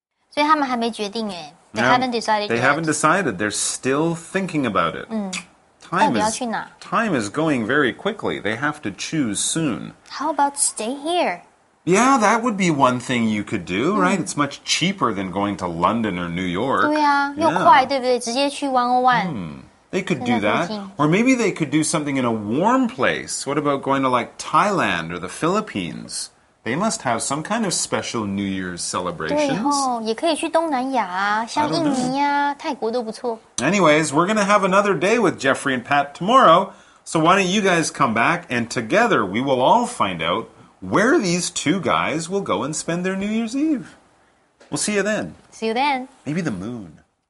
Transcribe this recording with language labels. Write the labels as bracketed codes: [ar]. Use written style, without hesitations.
[en] So they haven't decided yet. They haven't decided. They're still thinking about it. Time is going very quickly. They have to choose soon. How about stay here? Yeah, that would be one thing you could do, right? It's much cheaper than going to London or New York. [zh] 对啊，又快，对不对？直接去101。 [en] They could do that. Or maybe they could do something in a warm place. What about going to, like, Thailand or the Philippines? They must have some kind of special New Year's celebrations. [zh] 对哦，也可以去东南亚啊，像印尼啊，泰国都不错。 [en] Anyways, we're going to have another day with Jeffrey and Pat tomorrow. So why don't you guys come back, and together we will all find out where these two guys will go and spend their New Year's Eve. We'll see you then. See you then. Maybe the moon.